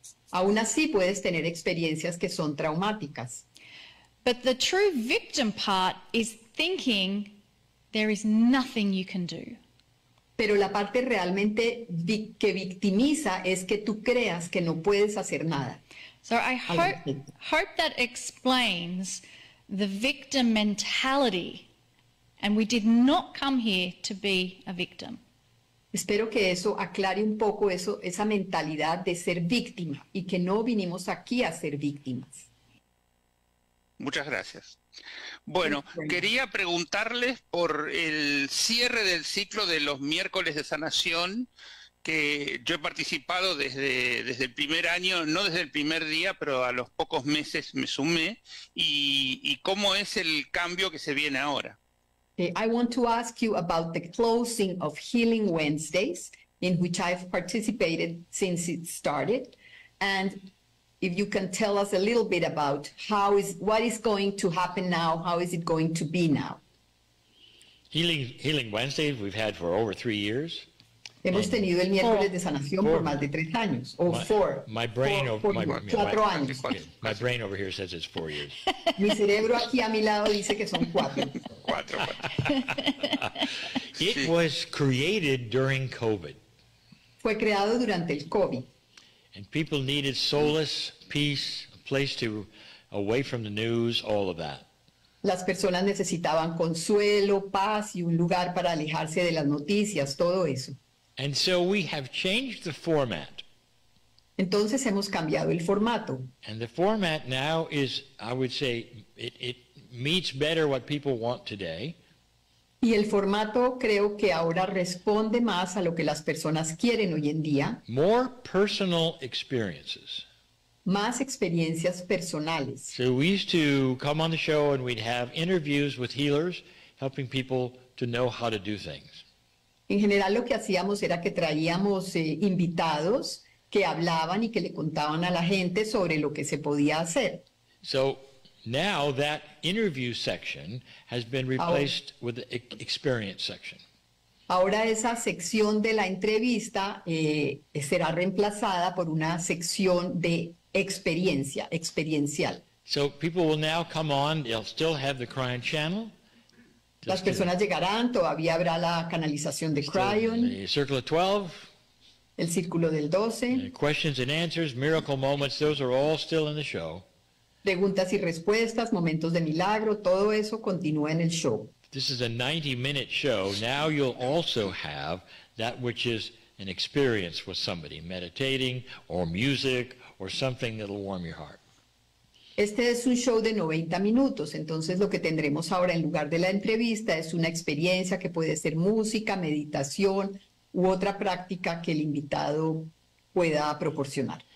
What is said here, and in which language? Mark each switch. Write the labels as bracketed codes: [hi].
[es] Aún así puedes tener experiencias que son traumáticas. [en] But the true victim part is thinking there is nothing you can do. [es] Pero la parte realmente que victimiza es que tú creas que no puedes hacer nada. [en] So I hope that explains the victim mentality, and we did not come here to be a victim. [es] Espero que eso aclare un poco eso, esa mentalidad de ser víctima y que no vinimos aquí a ser víctimas. Muchas gracias. Bueno, quería preguntarles por el cierre del ciclo de los miércoles de sanación, que yo he participado desde el primer año, no desde el primer día, pero a los pocos meses me sumé, y cómo es el cambio que se viene ahora. [en] Okay, I want to ask you about the closing of Healing Wednesdays, in which I've participated since it started, and if you can tell us a little bit about what is going to happen now, how is it going to be now? Healing Wednesdays we've had for over 3 years. [es] Hemos tenido el miércoles de sanación por más de 3 años, o cuatro años. [en] My brain over here says it's 4 years. [es] Mi cerebro aquí a mi lado dice que son cuatro. [en] It was created during COVID. [es] Fue creado durante el COVID. [en] And people needed solace, peace, a place to, away from the news, all of that. [es] Las personas necesitaban consuelo, paz y un lugar para alejarse de las noticias, todo eso. [en] And so we have changed the format. [es] Entonces hemos cambiado el formato. [en] And the format now is, I would say, it meets better what people want today. [es] Y el formato creo que ahora responde más a lo que las personas quieren hoy en día. [en] More personal experiences. [es] Más experiencias personales. [en] So we used to come on the show and we'd have interviews with healers, helping people to know how to do things. [es] En general lo que hacíamos era que traíamos invitados que hablaban y que le contaban a la gente sobre lo que se podía hacer. [en] So now that interview section has been replaced with the experience section. [es] Ahora esa sección de la entrevista será reemplazada por una sección de experiencial. [en] So people will now come on, they'll still have the Cryon channel. [es] Las personas llegarán, todavía habrá la canalización de Cryon. [en] Circle of 12. [es] El círculo del 12. [en] Questions and answers, miracle moments, those are all still in the show. [es] Preguntas y respuestas, momentos de milagro, todo eso continúa en el show. [en] This is a 90-minute show. Now you'll also have that which is an experience with somebody, meditating or music or something that'll warm your heart. [es] Este es un show de 90 minutos, entonces lo que tendremos ahora en lugar de la entrevista es una experiencia que puede ser música, meditación u otra práctica que el invitado pueda proporcionar.